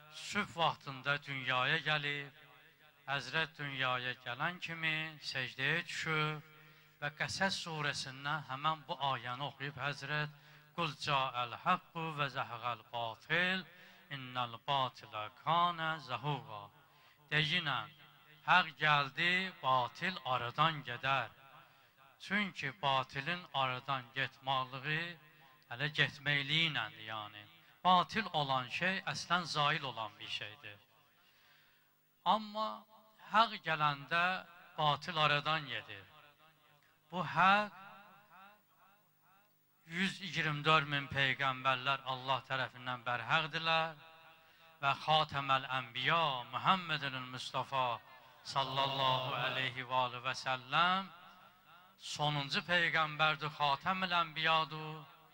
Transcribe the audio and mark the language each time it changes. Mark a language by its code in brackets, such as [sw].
[az] sübh vaxtında dünyaya gəlib, Həzrət dünyaya gələn kimi səcdəyə düşüb və Qəsəs surəsindən həmən bu ayəni oxuyub Həzrət [ar] Qul cəəl haqqu və zəhəqəl batil, innəl batilə kənə zəhuqa [az] deyinən Həq gəldi, batil aradan gedər. Çünki batilin aradan getməliği, hələ getməkliyindədir, yani. Batil olan şey, əslən zail olan bir şeydir. Amma həq gələndə batil aradan gedir. Bu həq 124 min peyqəmbərlər Allah tərəfindən bərhəqdirlər və Xatəməl Ənbiya, Mühəmmədinin Mustafa sallallahu aleyhi və aleyhi və səlləm sonuncu peyğəmbərdir, Xatəm-ül Ənbiyadır.